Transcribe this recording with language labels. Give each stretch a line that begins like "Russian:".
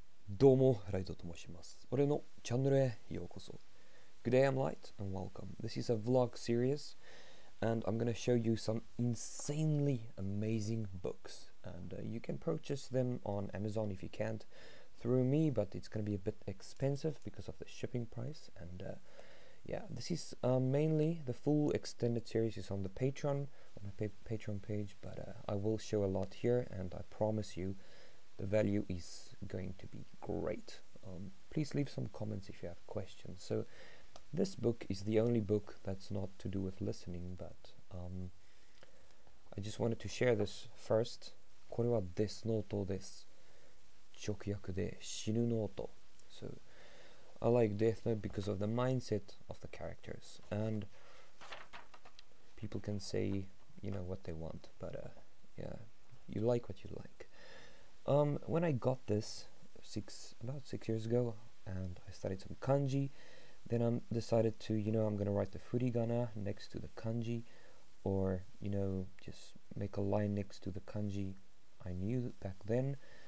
Japanese: どうも、ライトと申します。俺のチャンネルへようこそ。
English: Good day, I'm Light, and welcome. This is a vlog series, and I'm gonna show you some insanely amazing books. And、you can purchase them on Amazon if you can't through me, but it's gonna be a bit expensive because of the shipping price. And、yeah, this is、mainly the full extended series is on the Patreon. My Patreon page, but、I will show a lot here, and I promise you the value is going to be great.、please leave some comments if you have questions. So this book is the only book that's not to do with listening, but、I just wanted to share this first.
Japanese: これはデスノートです。直訳で死ぬノート。
English: So I like Death Note because of the mindset of the characters, and people can sayYou know what they want, but、yeah, you like what you like. When I got this about six years ago, and I studied some kanji, then I decided to, you know, I'm gonna write the furigana next to the kanji, or, you know, just make a line next to the kanji I knew back then.